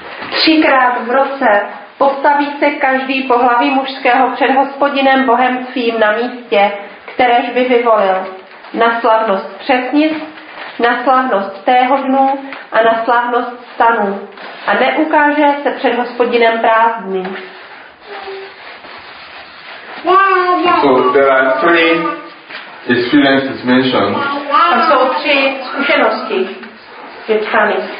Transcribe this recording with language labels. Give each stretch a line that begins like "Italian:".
Czech: Třikrát v roce postaví se každý pohlaví mužského před Hospodinem Bohem svým na místě, kteréž by vyvolil. Na slavnost přesnic, na slavnost tého dnu a na slavnost stanu. A neukáže se před Hospodinem prázdný.
English: So there are three experiences mentioned.
Czech: Tam jsou tři zkušenosti vypsány.